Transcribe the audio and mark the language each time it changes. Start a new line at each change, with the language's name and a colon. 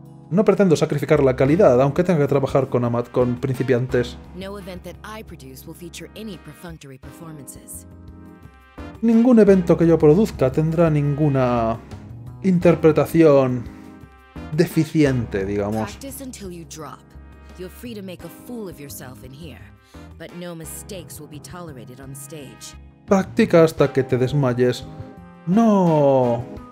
Spanish: No pretendo sacrificar la calidad, aunque tenga que trabajar con principiantes.
English: No event that I produce will feature any perfunctory performances.
Spanish: Ningún evento que yo produzca tendrá ninguna interpretación deficiente, digamos.
English: Practice until you drop. You're free to make a fool of yourself in here, but no mistakes will be tolerated on stage.
Spanish: Practica hasta que te desmayes. No.